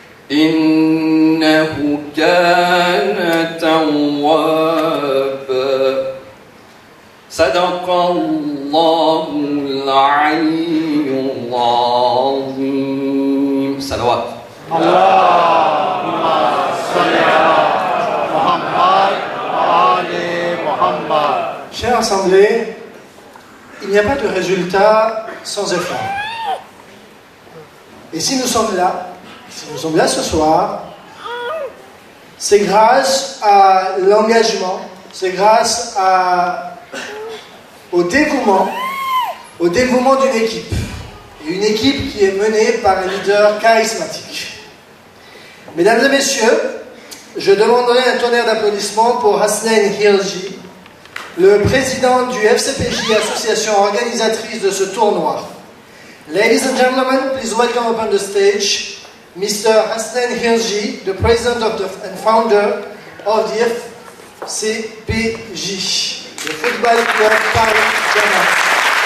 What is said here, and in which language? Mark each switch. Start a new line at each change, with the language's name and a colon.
Arabic: إنه كان توابا صدق الله العلي العظيم صلوات اللهم صل على محمد وعلى محمد.
French: Chère assemblée, il n'y a pas de résultat sans effort. Et si nous sommes là, si nous sommes là ce soir, c'est grâce à l'engagement, c'est grâce au dévouement d'une équipe. Et une équipe qui est menée par un leader charismatique. Mesdames et messieurs, je demanderai un tonnerre d'applaudissements pour Hasnain Hirji, le président du FCPJ, association organisatrice de ce tournoi.
English: Ladies and gentlemen, please welcome upon the stage Mr. Hasnain Hirji, the president of and founder of the FCPJ, the Football Club Paris Saint-Germain.